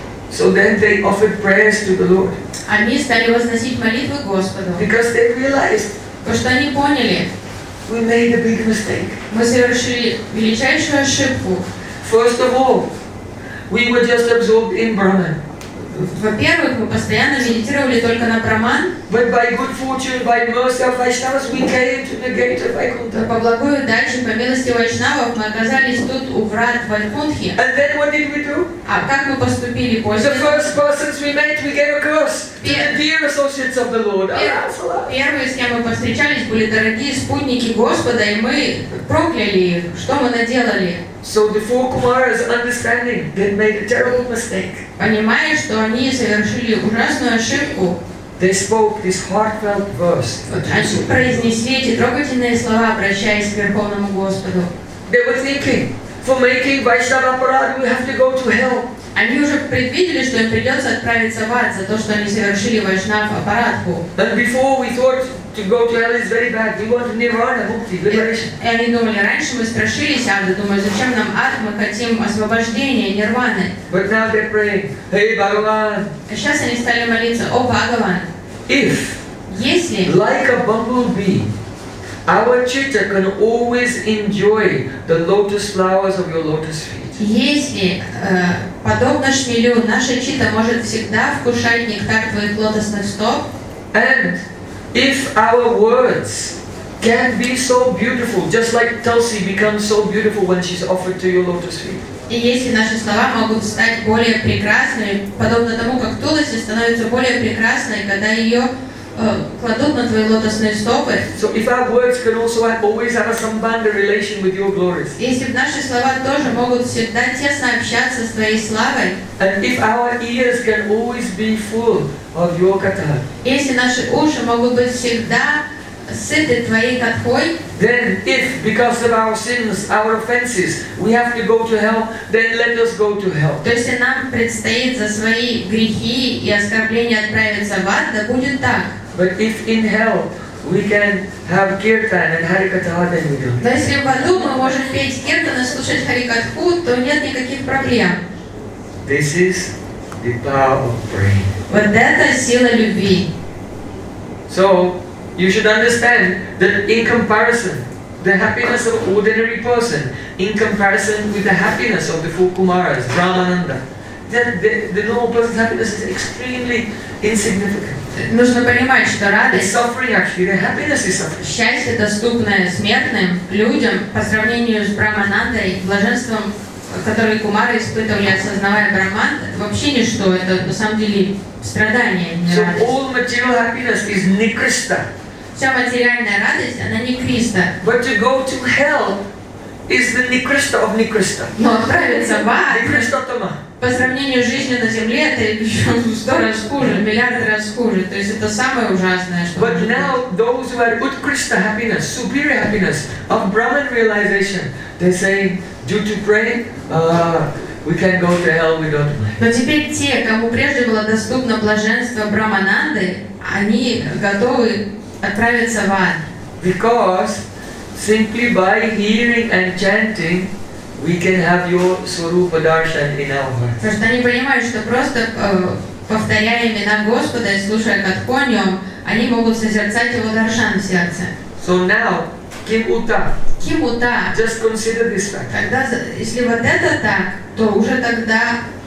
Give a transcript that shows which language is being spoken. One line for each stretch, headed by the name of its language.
English: So then they offered prayers to the Lord.
Russian: Они стали возносить молитвы Господу.
English: Because they realized.
Russian: Потому что они поняли.
English: We made a big mistake.
Russian: Мы совершили величайшую ошибку.
English: First of all, we were just absorbed in Brahman.
Russian: Во-первых, мы постоянно медитировали только на Брахман.
English: But by good fortune, by mercy of Vaishnavas, we came to the gate of Vaikuntha.
Russian: По благой удаче, по милости Вайшнавов, мы оказались тут у врат Вайкунтхи.
English: And then what did we do?
Russian: А как мы поступили после?
English: The first persons we met, we gave a curse to the dear associates of the Lord.
Russian: Первые, с кем мы повстречались, были дорогие спутники Господа, и мы прокляли их. Что мы наделали?
English: So the four Kumaras, understanding, they made a terrible mistake.
Russian: Понимая, что они совершили ужасную ошибку,
English: they spoke this heartfelt verse.
Russian: Они произнесли эти трогательные слова, обращаясь к Верховному Господу.
English: They were thinking, for making Vaishnava Parad, we have to go to hell.
Russian: Они уже предвидели, что им придется отправиться в ад за то, что они совершили Вайшнава Апарадху.
English: But before we thought to go to hell is very bad. We want Nirvana, Mukti, liberation.
Russian: И они думали, раньше мы страшились ада, думали, зачем нам ад, мы хотим освобождения, Нирваны.
English: But now they're praying, Hey Bhagavan.
Russian: А сейчас они стали молиться, О Бхагаван.
English: If,
Russian: если,
English: like a bumblebee, our chitta can always enjoy the lotus flowers of your lotus feet.
Russian: Если, подобно шмелю, наша чита может всегда вкушать нектар твоих лотосных стоп.
English: And if our words can be so beautiful, just like Tulsi becomes so beautiful when she's offered to your lotus feet.
Russian: И если наши слова могут стать более прекрасными, подобно тому, как Туласи становится более прекрасной, когда ее кладут на твои лотосные стопы.
English: So if our words can also always have a sambandha relation with your glories.
Russian: Если наши слова тоже могут всегда тесно общаться с твоей славой.
English: And if our ears can always be full of your katha.
Russian: Если наши уши могут быть всегда сыты твоей катхой.
English: Then if because of our sins, our offenses, we have to go to hell, then let us go to hell.
Russian: То есть нам предстоит за свои грехи и оскорбления отправиться в ад, да будет так.
English: But if in hell we can have kirtan and harikatha, then we do.
Russian: Да если в аду мы можем петь киртан и слушать харикатху, то нет никаких проблем.
English: This is the power of praying.
Russian: Вот это сила любви.
English: So you should understand that in comparison, the happiness of an ordinary person, in comparison with the happiness of the four Kumaras, Brahmananda, then the normal person's happiness is extremely insignificant.
Russian: Нужно понимать, что радость,
English: suffering actually, the happiness is suffering.
Russian: Счастье, доступное смертным людям, по сравнению с Брахманандой, блаженством который Кумара испытывал и осознавая Брахман, вообще ничто, это на самом деле страдание, не радость. Вся материальная радость, она не Кришна.
English: But to go to hell is the Nikrista of Nikrista.
Russian: Но отправиться в ад.
Sanskrit: Nikrista Tama.
Russian: По сравнению с жизнью на земле, это еще раз хуже, миллиард раз хуже. То есть это самое ужасное, что.
English: But now those who are good Krishna happiness, superior happiness of Brahman realization, they say, due to praying, we can go to hell, we don't mind.
Russian: Но теперь те, кому прежде было доступно блаженство Брамананды, они готовы отправиться в ад.
English: Because simply by hearing and chanting, we can have your Swarupa Darshan in our heart.
Russian: Потому что они понимают, что просто повторяя имена Господа и слушая катконьем, они могут созерцать его даршан в сердце.
English: So now, Kim Uta. Just consider this fact.
Russian: Когда, если вот это так, то уже тогда.